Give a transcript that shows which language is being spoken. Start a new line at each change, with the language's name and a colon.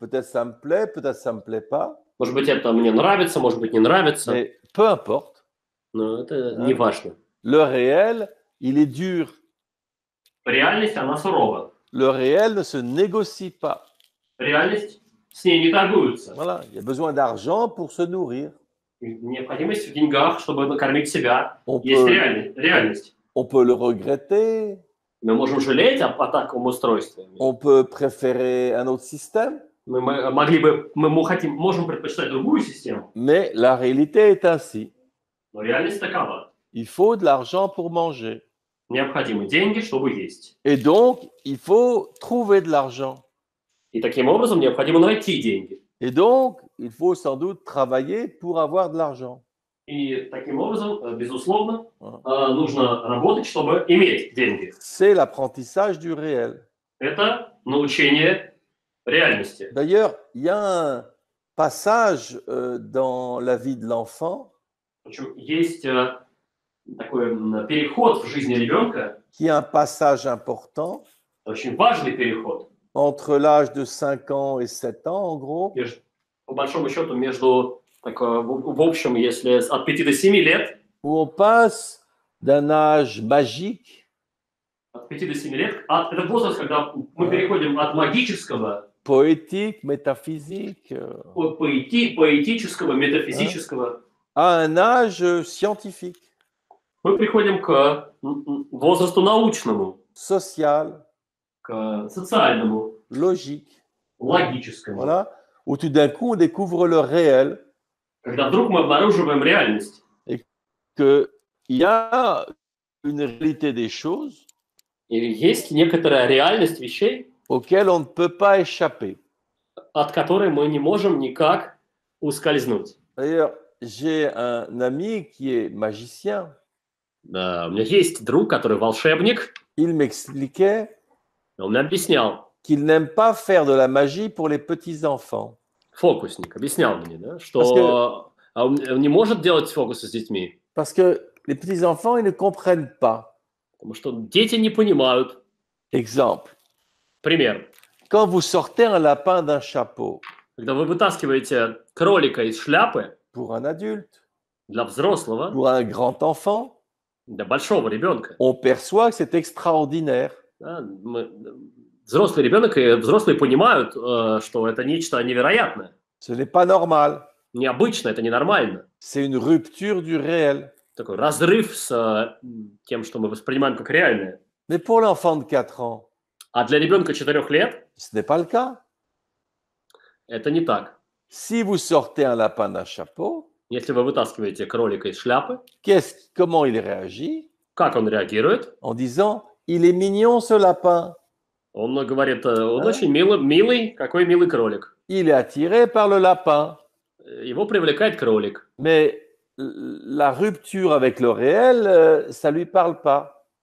French: Peut-être ça me plaît, peut-être ça me plaît pas.
Russian: Может быть, это мне нравится, может быть, не нравится.
French: Mais peu importe.
Russian: Но это не важно.
French: Le réel, il est dur.
Russian: Реальность, она сурова.
French: Le réel ne se négocie pas.
Russian: Реальность, с ней не торгуются.
French: Voilà, il y a besoin d'argent pour se nourrir.
Russian: Необходимость в деньгах, чтобы накормить себя. Есть реальность.
French: On peut le regretter.
Russian: Мы можем жалеть о таком устройстве.
French: On peut préférer un autre système.
Russian: Мы можем предпочитать другую систему.
French: Mais la réalité est ainsi.
Russian: Но реальность такова.
French: Il faut de l'argent pour manger.
Russian: Необходимы деньги, чтобы есть.
French: Et donc, il faut trouver de l'argent.
Russian: И таким образом необходимо найти деньги.
French: Et donc, il faut sans doute travailler pour avoir de l'argent.
Russian: И таким образом, безусловно, нужно работать, чтобы иметь деньги.
French: C'est l'apprentissage du réel.
Russian: Это научение реальности.
French: D'ailleurs, il y a un passage dans la vie de l'enfant.
Russian: Есть такой переход в жизни ребенка.
French: Qui est un passage important.
Russian: Очень важный переход.
French: Entre l'âge de 5 ans et 7 ans, en gros.
Russian: По большому счету, между, так, в общем, если от 5 до 7 лет.
French: Où on passe d'un âge magique.
Russian: От 5 до 7 лет. Это возраст, когда мы переходим от магического. Поэтик, метафизик. Поэтического, метафизического.
French: À un âge scientifique.
Russian: Мы приходим к возрасту научному.
French: Social.
Russian: К социальному.
French: Logique.
Russian: Логическому.
French: Voilà. Où tout d'un coup on découvre le réel.
Russian: Когда вдруг мы обнаруживаем реальность.
French: Et que il y a une réalité des choses.
Russian: И есть некоторая реальность вещей.
French: Auxquelles on ne peut pas échapper.
Russian: От которой мы не можем никак ускользнуть.
French: D'ailleurs, j'ai un ami qui est magicien.
Russian: У меня есть друг, который волшебник.
French: Il m'expliquait.
Russian: Он мне объяснял.
French: Qu'il n'aime pas faire de la magie pour les petits enfants.
Russian: Фокусник объяснял мне, да, что
French: On
Russian: не может делать фокусы с детьми.
French: Parce que les petits-enfants, ils ne comprennent pas.
Russian: Потому что дети не понимают.
French: Exemple.
Russian: Пример.
French: Quand vous sortez un lapin d'un chapeau.
Russian: Когда вы вытаскиваете кролика из шляпы.
French: Pour un adulte.
Russian: Для взрослого.
French: Pour un grand enfant.
Russian: Для большого ребенка.
French: On perçoit que c'est extraordinaire.
Russian: Да, мы, взрослый ребенок и взрослые понимают, что это нечто невероятное.
French: Ce n'est pas normal.
Russian: Необычно, это ненормально.
French: C'est une rupture du réel.
Russian: Такой разрыв с тем, что мы воспринимаем как реальное.
French: Mais pour l'enfant de 4 ans,
Russian: а для ребенка 4 лет?
French: Ce n'est pas le cas.
Russian: Это не так.
French: Si vous sortez un lapin d'un chapeau,
Russian: если вы вытаскиваете кролика из шляпы,
French: comment il réagit?
Russian: Как он реагирует?
French: En disant, il est mignon ce lapin.
Russian: Он говорит, он очень милый, милый, какой милый кролик.
French: Il est attiré par le lapin.
Russian: Его привлекает кролик.
French: Mais la rupture avec le réel, ça lui parle pas.